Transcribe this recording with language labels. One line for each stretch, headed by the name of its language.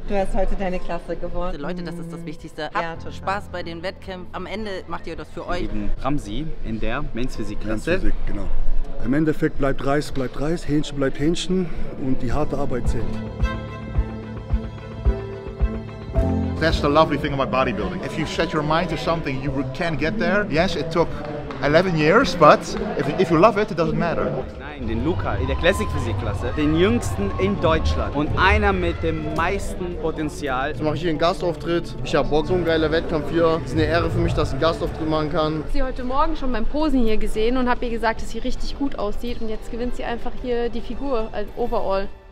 German: Du hast heute deine Klasse gewonnen. Leute, das ist das Wichtigste. Habt ja, Spaß bei den Wettkämpfen. Am Ende macht ihr das für euch. Eben Ramsi in der Mensphysik-Klasse. Mensphysik, genau. Im Endeffekt bleibt Reis, Hähnchen bleibt Hähnchen und die harte Arbeit zählt.
English: That's the lovely thing about bodybuilding. If you set your mind to something, you can get there. Yes, it took 11 years, but if you love it, it doesn't matter.
German: Nein, den Luca in der Classic-Physik-Klasse, den jüngsten in Deutschland und einer mit dem meisten Potenzial. Jetzt mache ich hier einen Gastauftritt. Ich habe Bock, so ein geiler Wettkampf hier. Es ist eine Ehre für mich, dass ich einen Gastauftritt machen kann. Ich habe sie heute Morgen schon beim Posen hier gesehen und habe ihr gesagt, dass sie richtig gut aussieht. Und jetzt gewinnt sie einfach hier die Figur, also overall.